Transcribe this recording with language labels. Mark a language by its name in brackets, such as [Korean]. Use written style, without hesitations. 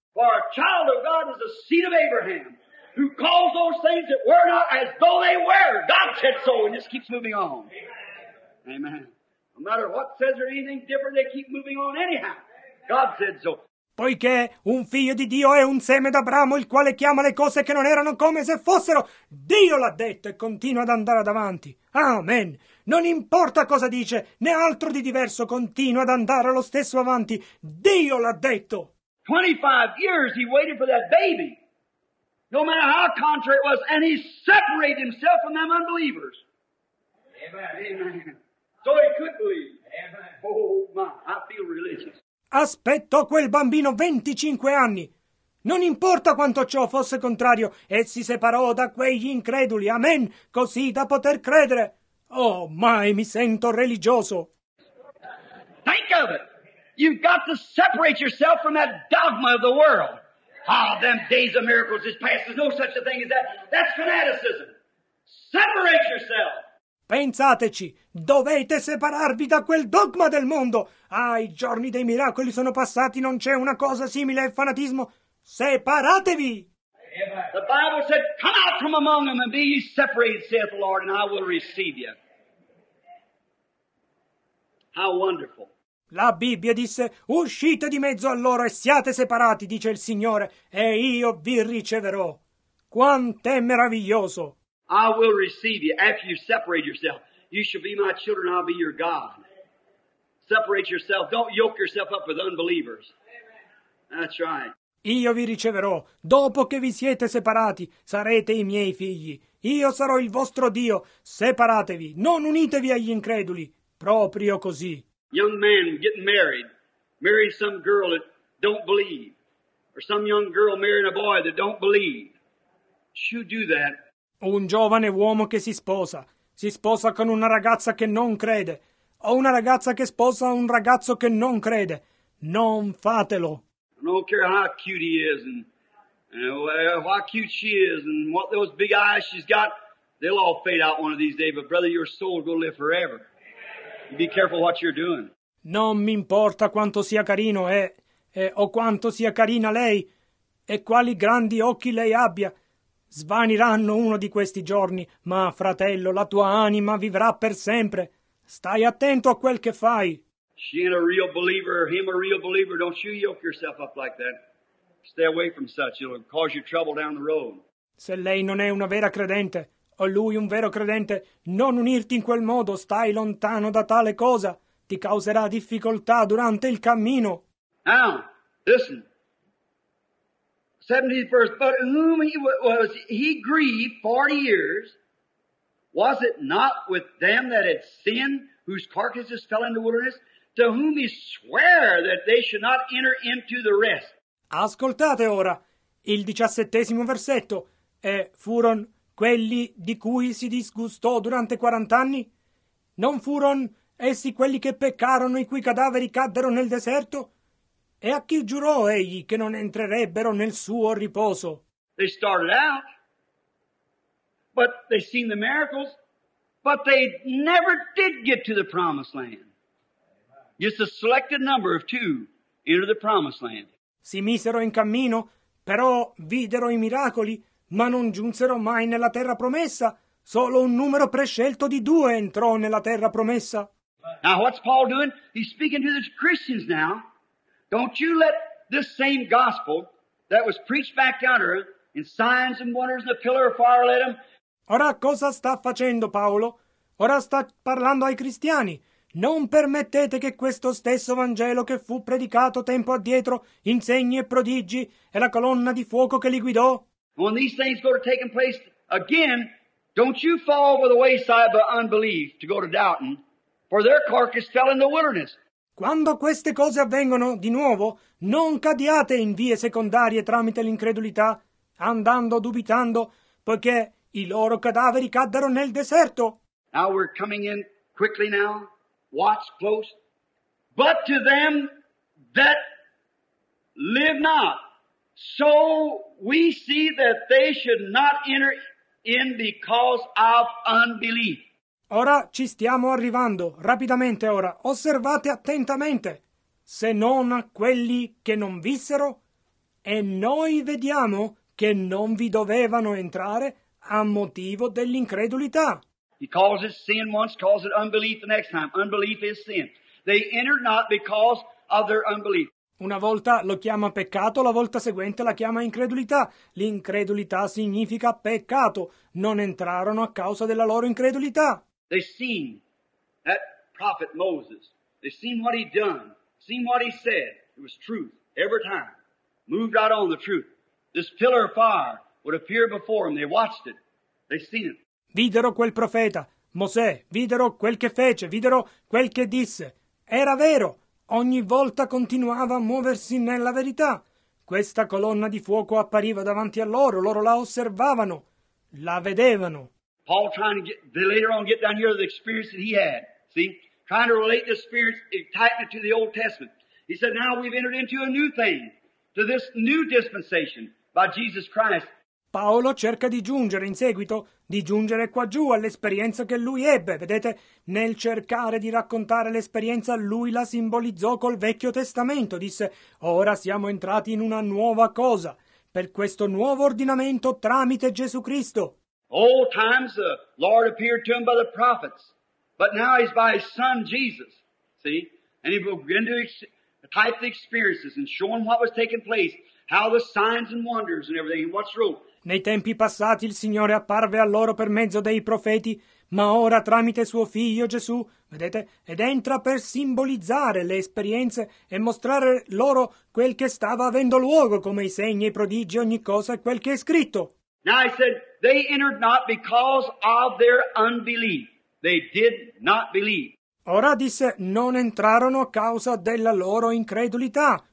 [English] For a child of God is the seed of Abraham, who calls those things that were not as though they were. God said so, and just keeps moving on. Amen. No matter what says or anything different, they keep moving on anyhow. God said so. [Italian] Poiché un figlio di Dio è un seme d'Abramo, il quale chiama le cose che non erano come se fossero, Dio l'ha detto e continua ad andare avanti. Amen. Non importa cosa dice, né altro di diverso, continua ad andare lo stesso avanti. Dio l'ha detto. [English] 25 years he waited for that baby, no matter how contrary it was, and he separated himself from them unbelievers. Amen. Amen. So he could believe. Amen. Oh my, I feel religious. [Italian] Aspettò quel bambino 25 anni. Non importa quanto ciò fosse contrario, e si separò da quegli increduli, amen, così da poter credere. [English] Oh my, [Italian] mi sento religioso. [English] Think of it. You've got to separate yourself from that dogma of the world. Ah, them days of miracles is past. There's no such a thing as that. That's fanaticism. Separate yourself. [Italian] Pensateci. Dovete separarvi da quel dogma del mondo. Ah, i giorni dei miracoli sono passati. Non c'è una cosa simile al fanatismo. Separatevi. [English] The Bible said, come out from among them and be ye separated, saith the Lord, and I will receive you. How wonderful. [Italian] La Bibbia disse, uscite di mezzo a loro e siate separati, dice il Signore, e io vi riceverò. Quant'è meraviglioso. [English] I will receive you after you separate yourself. You shall be my children, I'll be your God. Separate yourself, don't yoke yourself up with unbelievers. That's right. [Italian] Io vi riceverò. Dopo che vi siete separati, sarete i miei figli. Io sarò il vostro Dio. Separatevi, non unitevi agli increduli. Proprio così. [English] Young man getting married, marrying some girl that don't believe, or some young girl marrying a boy that don't believe. Should do that. [Italian] Un giovane uomo che si sposa con una ragazza che non crede, o una ragazza che sposa un ragazzo che non crede, non fatelo. [English] I don't care how cute he is and how cute she is and what those big eyes she's got, they'll all fade out one of these days. But brother, your soul will live forever. Be careful what you're doing. [Italian] Non mi importa quanto sia carino o quanto sia carina lei e quali grandi occhi lei abbia. Svaniranno uno di questi giorni, ma fratello, la tua anima vivrà per sempre. Stai attento a quel che fai. [English] She ain't a real believer, him a real believer. Don't you yoke yourself up like that. Stay away from such. It'll cause you trouble down the road. [Italian] Se lei non è una vera credente, o lui un vero credente, non unirti in quel modo. Stai lontano da tale cosa. Ti causerà difficoltà durante il cammino. [English] Now, listen. 71st, but whom he was, he grieved 40 years. Was it not with them that had sinned, whose carcasses fell in the wilderness? To whom he swore that they should not enter into the rest. [Italian] Ascoltate ora il 17° versetto. Furon quelli di cui si disgustò durante 40 anni? Non furon essi quelli che peccarono i cui cadaveri caddero nel deserto? E a chi giurò egli che non entrerebbero nel suo riposo? [English] They started out, but they seen the miracles, but they never did get to the promised land. Just a selected number of two enter the promised land. [Italian] Si misero in cammino, però videro i miracoli, ma non giunsero mai nella terra promessa. Solo un numero prescelto di due entrò nella terra promessa. [English] Now what's Paul doing? He's speaking to the Christians now. Don't you let this same gospel that was preached back yonder in signs and wonders in the pillar of fire let him. [Italian] Ora cosa sta facendo Paolo? Ora sta parlando ai cristiani. Non permettete che questo stesso Vangelo che fu predicato tempo addietro in segni e prodigi e la colonna di fuoco che li guidò. [English] When these things go to taking place again, don't you fall by the wayside by unbelief to go to doubting, for their carcass fell in the wilderness. [Italian] Quando queste cose avvengono di nuovo, non cadiate in vie secondarie tramite l'incredulità, andando dubitando, poiché i loro cadaveri caddero nel deserto. [English] Now we're coming in quickly now. Watch close. But to them that live not, so we see that they should not enter in because of unbelief. [Italian] Ora ci stiamo arrivando, rapidamente ora, osservate attentamente, se non a quelli che non vissero, e noi vediamo che non vi dovevano entrare a motivo dell'incredulità. [English] He calls it sin once, calls it unbelief the next time. Unbelief is sin. They entered not because of their unbelief. [Italian] Una volta lo chiama peccato, la volta seguente la chiama incredulità. L'incredulità significa peccato. Non entrarono a causa della loro incredulità. [English] They seen that prophet Moses. They seen what he done. Seen what he said. It was truth every time. Moved right on the truth. This pillar of fire would appear before him. They watched it. They seen it. [Italian] Videro quel profeta, Mosè, videro quel che fece, videro quel che disse. Era vero, ogni volta continuava a muoversi nella verità. Questa colonna di fuoco appariva davanti a loro, loro la osservavano, la vedevano. [English] Paul trying to get down here to the experience that he had, see? Trying to relate the experience, tighten it to the Old Testament. He said, now we've entered into a new thing, to this new dispensation by Jesus Christ. [Italian] Paolo cerca di giungere in seguito, di giungere qua giù all'esperienza che lui ebbe. Vedete, nel cercare di raccontare l'esperienza, lui la simbolizzò col Vecchio Testamento. Disse, ora siamo entrati in una nuova cosa. per questo nuovo ordinamento tramite Gesù Cristo. [English] Old times the Lord appeared to him by the prophets, but now he's by his son Jesus. See? And he began to type the experiences and show him what was taking place, how the signs and wonders and everything, and what's wrong. [Italian] Nei tempi passati il Signore apparve a loro per mezzo dei profeti, ma ora tramite suo figlio Gesù, vedete, ed entra per simbolizzare le esperienze e mostrare loro quel che stava avendo luogo, come i segni, i prodigi, ogni cosa e quel che è scritto. [English] Now he said, they entered not because of their unbelief. They did not believe. [Italian] Ora disse, non entrarono a causa della loro incredulità.